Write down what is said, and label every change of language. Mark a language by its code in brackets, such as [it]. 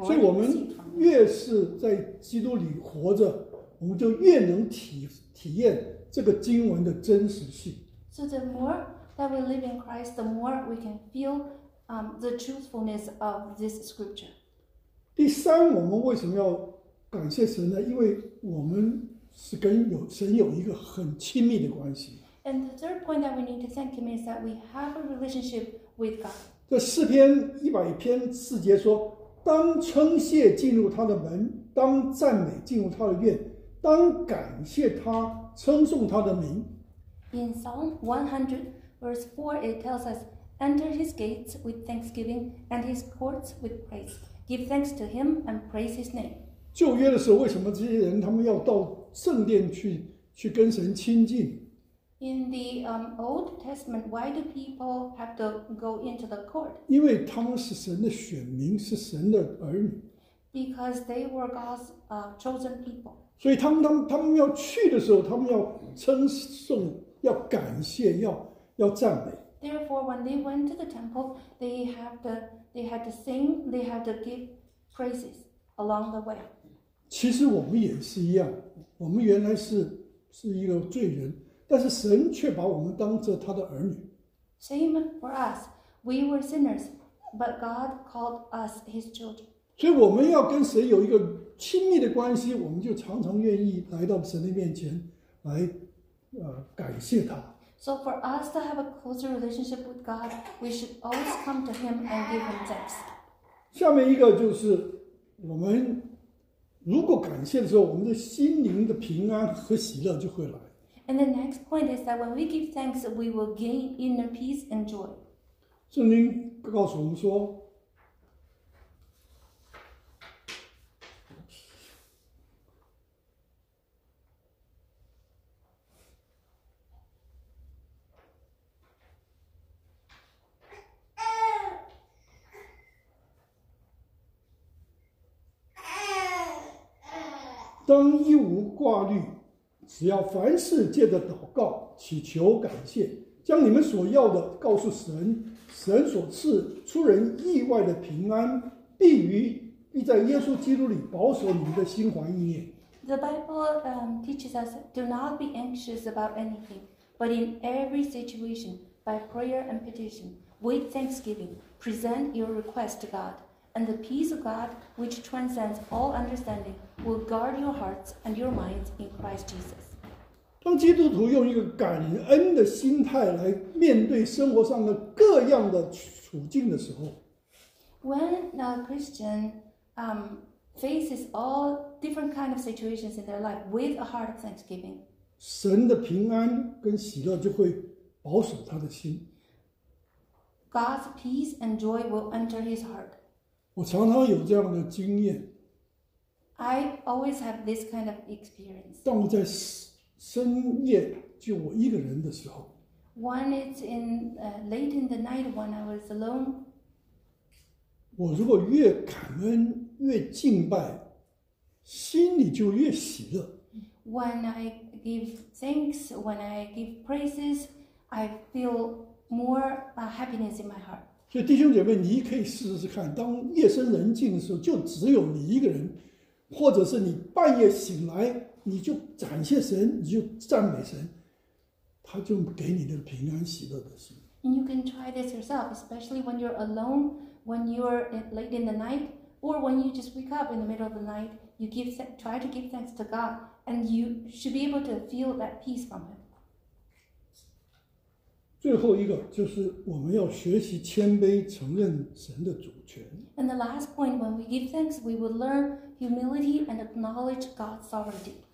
[zh] 所以我们越是在基督里活着，我们就越能体验这个经文的真实性。 [en] So the more that we live in Christ, the more we can feel the truthfulness of this scripture. [zh] 第三，我们为什么要感谢神呢？因为我们是跟神有一个很亲密的关系。 [en] And the third point that we need to thank Him is that we have a relationship with God. [zh] 这诗篇100:4说：“当称谢进入他的门，当赞美进入他的院，当感谢他，称颂他的名。” [en] In Psalm 100:4, it tells us, "Enter His gates with thanksgiving, and His courts with praise. Give thanks to Him and praise His name." [zh] 旧约的时候，为什么这些人他们要到圣殿去跟神亲近 [en] ？In the Old Testament, why do people have to go into the court? [zh] 因为他们是神的选民，是神的儿女。 [en] Because they were God's chosen people. [zh] 所以他们要去的时候，他们要称颂。要感谢，要赞美。 [en] Therefore, when they went to the temple, they had to sing, they had to give praises along the way. [zh] 其实我们也是一样，我们原来是一个罪人，但是神却把我们当作他的儿女。 [en] Same for us, we were sinners, but God called us His children. [zh] 所以我们要跟神有一个亲密的关系，我们就常常愿意来到神的面前来。感谢他。 [en] So for us to have a closer relationship with God, we should always come to Him and give Him thanks. [zh] 下面一个就是我们如果感谢的时候，我们的心灵的平安和喜乐就会来。 [en] And the next point is that when we give thanks, we will gain inner peace and joy. [zh] 圣经告诉我们说，当一无挂虑，只要凡事借着祷告祈求感谢，将你们所要的告诉神，神所赐出人意外的平安必于必在耶稣基督里保守你们的心怀意念。 [en] The Bible teaches us, do not be anxious about anything, but in every situation, by prayer and petition, with thanksgiving, present your request to God, and the peace of God, which transcends all understanding, will guard your hearts and your minds in Christ Jesus. [zh] 当基督徒用一个感恩的心态来面对生活上的各样的处境的时候， [en] When a Christian faces all different kinds of situations in their life with a heart of thanksgiving, [zh] 神的平安跟喜乐就会保守他的心。 [en] God's peace and joy will enter his heart. [zh] 我常常有这样的经验。 [en] I always have this kind of experience. [zh] 当我在深夜就我一个人的时候。 [en] When it's in, late in the night when I was alone, [zh] 我如果越感恩越敬拜，心里就越喜乐。 [en] When I give thanks, when I give praises, I feel more happiness in my heart. [zh] 所以弟兄姐妹，你可以试试看，当夜深人静的时候，就只有你一个人，或者是你半夜醒来，你就感谢神，你就赞美神，他就给你的平安喜乐的心。 [en] And you can try this yourself, especially when you're alone, when you're late in the night. Or when you just wake up in the middle of the night, you give, try to give thanks to God, and you should be able to feel that peace from Him. [zh] 最后一个就是我们要学习谦卑，承认神的主权。 [en] And the last point, when we give thanks, we will learn humility and acknowledge God's sovereignty.